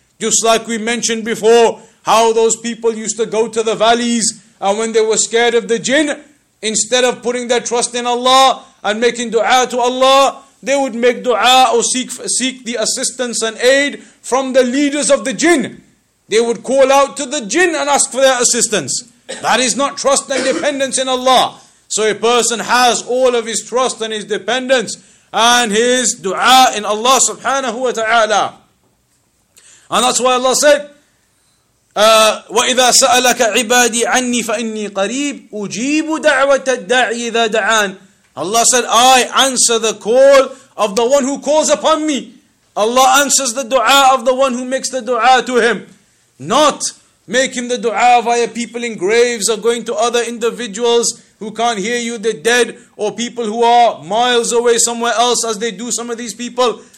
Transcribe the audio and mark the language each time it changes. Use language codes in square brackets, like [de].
[en] Just like we mentioned before, how those people used to go to the valleys, and when they were scared of the jinn, instead of putting their trust in Allah and making dua to Allah, they would make dua or seek the assistance and aid from the leaders of the jinn. They would call out to the jinn and ask for their assistance. That is not trust and dependence in Allah. So a person has all of his trust and his dependence and his dua in Allah subhanahu wa ta'ala. And that's why Allah said, [ar] وَإِذَا سَأَلَكَ عِبَادِي عَنِّي فَإِنِّي قَرِيبٌ أُجِيبُ دَعْوَةَ الدَّاعِي إِذَا دَعَانِ. [en] Allah said, I answer the call of the one who calls upon me. Allah answers the dua of the one who makes the dua to him. Not making the dua via people in graves or going to other individuals who can't hear you, the dead, or people who are miles away somewhere else, as they do some of these people.